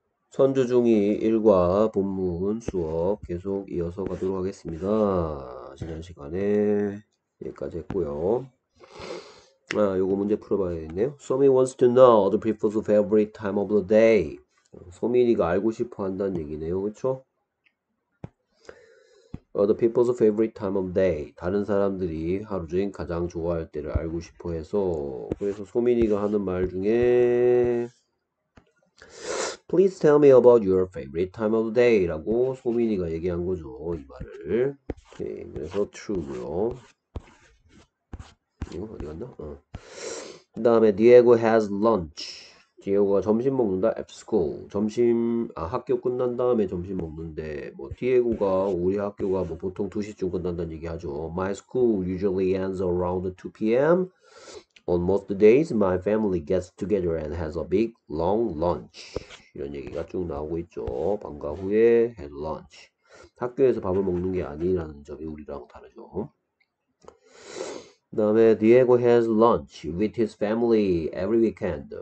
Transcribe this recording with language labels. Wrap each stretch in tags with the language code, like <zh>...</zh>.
<ko>선조 중이 일과 본문 수업 계속 이어서 가도록 하겠습니다. 지난 시간에 여기까지 했고요. 아, 요거 문제 풀어봐야겠네요.</ko> <en>Somi wants to know the people's favorite time of the day.</en> <ko>소민이가 알고 싶어 한다는 얘기네요. 그쵸?</ko> <en>The people's favorite time of day.</en> <ko>다른 사람들이 하루 중 가장 좋아할 때를 알고 싶어 해서. 그래서 소민이가 하는 말 중에</ko> <en>Please tell me about your favorite time of the day</en> <ko>라고 소민이가 얘기한 거죠. 이 말을. 오케이, 그래서 true고요. 이거 어디 갔나? 그 다음에</ko> <en>Diego has lunch.</en> <ko>Diego가 점심 먹는다.</ko> <en>At school.</en> <ko>점심, 아 학교 끝난 다음에 점심 먹는데 뭐 Diego가 우리 학교가 뭐 보통 2시쯤 끝난다는 얘기 하죠.</ko> <en>My school usually ends around 2 p.m. On most days, my family gets together and has a big, long lunch.</en> <ko>이런 얘기가 쭉 나오고 있죠. 방과 후에</ko> <en>had lunch.</en> <ko>학교에서 밥을 먹는 게 아니라는 점이 우리랑 다르죠. 그다음에</ko> <en>Diego has lunch with his family every weekend.</en>